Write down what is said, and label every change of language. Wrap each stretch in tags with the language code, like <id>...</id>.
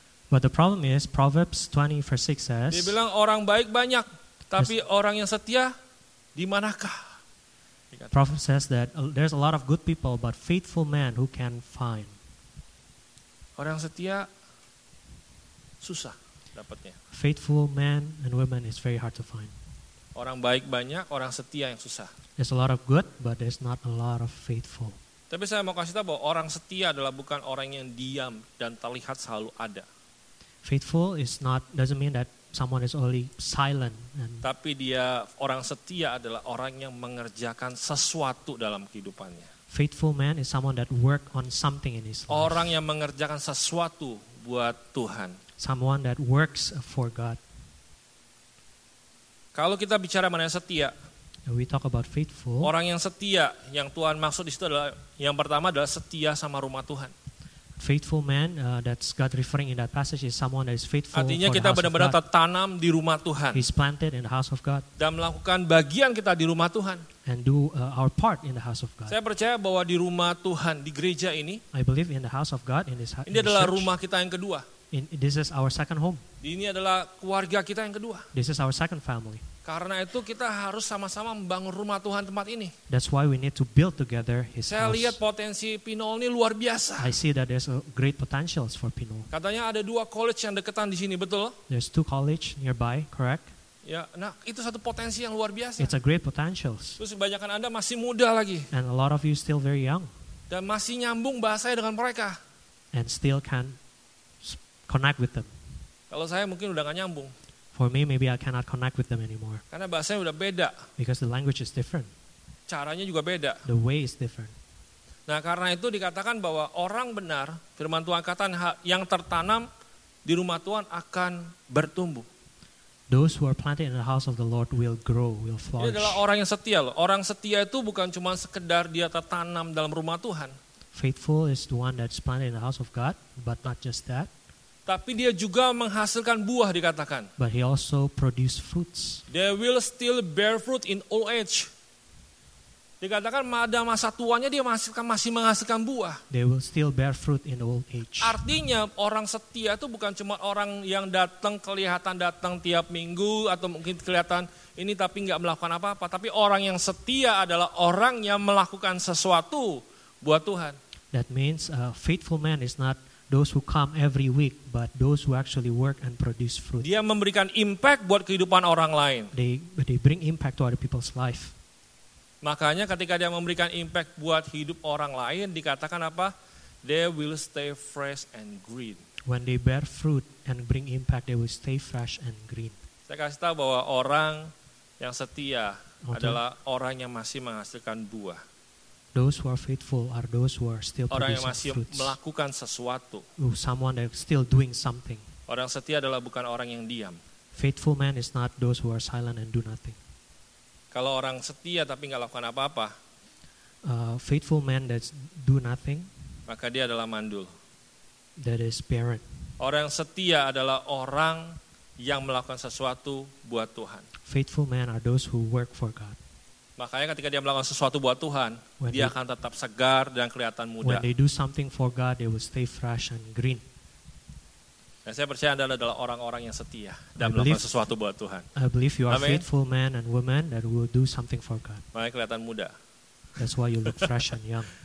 <en>But the problem is Proverbs 20 verse 6 says.</en> <id>Dia bilang orang baik banyak, tapi orang yang setia di manakah?</id> <en>Prophet says that there's a lot of good people, but faithful men who can find.</en> <id>Orang setia susah dapatnya.</id> <en>Faithful men and women is very hard to find.</en> <id>Orang baik banyak, orang setia yang susah.</id> <en>There's a lot of good, but there's not a lot of faithful.</en> <id>Tapi saya mau kasih tahu bahwa orang setia adalah bukan orang yang diam dan terlihat selalu ada.</id> <en>Faithful is not doesn't mean that someone is only silent. And</en> <id>tapi dia orang setia adalah orang yang mengerjakan sesuatu dalam kehidupannya.</id> <en>Faithful man is someone that work on something in his life.</en> <id>Orang yang mengerjakan sesuatu buat Tuhan.</id> <en>Someone that works for God.</en> <id>Kalau kita bicara mengenai setia,</id> <en>and we talk about faithful.</en> <id>Orang yang setia yang Tuhan maksud di situ adalah yang pertama adalah setia sama rumah Tuhan.</id> <en>Faithful man that's God referring in that passage is someone that is faithful.</en> <id>Artinya kita benar-benar tertanam di rumah Tuhan.</id> <en>He's planted in the house of God.</en> <id>Dan melakukan bagian kita di rumah Tuhan.</id> <en>And do our part in the house of God.</en> <id>Saya percaya bahwa di rumah Tuhan di gereja ini,</id> <en>I believe in the house of God in this church.</en> <id>Ini adalah rumah kita yang kedua.</id> <en>This is our second home.</en> <id>Ini adalah keluarga kita yang kedua.</id> <en>This is our second family.</en> <id>Karena itu kita harus sama-sama membangun rumah Tuhan tempat ini.</id> <en>That's why we need to build together his house.</en> <id>Saya lihat potensi Pinol ini luar biasa.</id> <en>I see that there's a great potentials for Pinol.</en> <id>Katanya ada dua college yang dekatan di sini, betul?</id> <en>There's two college nearby, correct?</en> <id>Ya, nah itu satu potensi yang luar biasa.</id> <en>It's a great potentials.</en> <id>Terus kebanyakan Anda masih muda lagi.</id> <en>And a lot of you still very young.</en> <id>Dan masih nyambung bahasanya dengan mereka.</id> <en>And still can connect with them.</en> <id>Kalau saya mungkin udah enggak nyambung.</id> <en>For me, maybe I cannot connect with them anymore.</en> <id>Karena bahasanya udah beda.</id> <en>Because the language is different.</en> <id>Caranya juga beda.</id> <en>The way is different.</en> <id>Nah, karena itu dikatakan bahwa orang benar, firman Tuhan katakan, yang tertanam di rumah Tuhan akan bertumbuh.</id> <en>Those who are planted in the house of the Lord will grow, will flourish.</en> <id>Ini adalah orang yang setia loh. Orang setia itu bukan cuma sekedar dia tertanam dalam rumah Tuhan.</id> <en>Faithful is the one that's planted in the house of God, but not just that.</en> <id>Tapi dia juga menghasilkan buah dikatakan.</id> <en>But he also produce fruits. They will still bear fruit in old age.</en> <id>Dikatakan pada masa tuanya dia masih menghasilkan buah.</id> <en>They will still bear fruit in old age.</en> <id>Artinya orang setia itu bukan cuma orang yang datang kelihatan datang tiap minggu atau mungkin kelihatan ini tapi enggak melakukan apa-apa, tapi orang yang setia adalah orang yang melakukan sesuatu buat Tuhan.</id> <en>That means a faithful man is not those who come every week, but those who actually work and produce fruit.</en> <id>Dia memberikan impact buat kehidupan orang lain.</id> <en>They bring impact to other people's life.</en> <id>Makanya ketika dia memberikan impact buat hidup orang lain, dikatakan apa?</id> <en>They will stay fresh and green. When they bear fruit and bring impact, they will stay fresh and green.</en> <id>Saya kasih tahu bahwa orang yang setia adalah orang yang masih menghasilkan buah.</id> <en>Those who are faithful are those who are still</en> <id>orang</id> <en>producing</en> <id>yang masih</id> <en>fruits.</en> <id>Melakukan sesuatu.</id> <en>Ooh, someone that is still doing something.</en> <id>Orang setia adalah bukan orang yang diam.</id> <en>Faithful man is not those who are silent and do nothing.</en> <id>Kalau orang setia tapi enggak lakukan apa-apa,</id> <en>faithful man that do nothing,</en> <id>maka dia adalah mandul.</id> <en>That is barren.</en> <id>Orang setia adalah orang yang melakukan sesuatu buat Tuhan.</id> <en>Faithful men are those who work for God.</en> <id>Makanya ketika dia melakukan sesuatu buat Tuhan,</id> <en>when</en> <id>dia akan tetap segar dan kelihatan muda.</id> <en>When they do something for God, they will stay fresh and green.</en> <id>Dan saya percaya Anda adalah orang-orang yang setia dan melakukan sesuatu buat Tuhan.</id> <en>I believe you are faithful men and women that will do something for God.</en> <id>Makanya kelihatan muda.</id> <en>That's why you look fresh and young.</en>